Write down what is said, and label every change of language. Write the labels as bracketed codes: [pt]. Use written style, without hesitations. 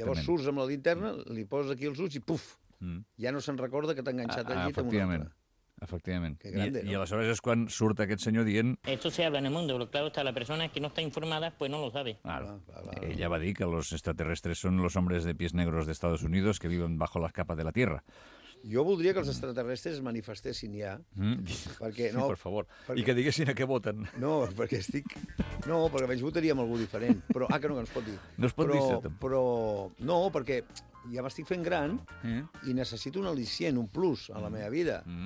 [ca] Llavors surts amb la linterna, li poses aquí els ulls i puf! Ja no se'n recorda que t'ha enganxat al llit amb una altra. Efectivament. I aleshores és quan surt aquest senyor dient... [es] Esto se habla en el mundo, pero claro, está la persona que no está informada, pues no lo sabe. Claro. Ella va dir que los extraterrestres son los hombres de pies negros de Estados Unidos que viven bajo la capa de la Tierra. [ca] Jo voldria que els extraterrestres es manifestessin ja. Perquè, no, sí, per favor. Perquè... I que diguessin a què voten. No, perquè estic... No, perquè veig, votaria amb algú diferent. Però, ah, que no, que ens pot dir. No es pot però, dir això, però... No, perquè ja m'estic fent gran i necessito un al·licient, un plus a la meva vida.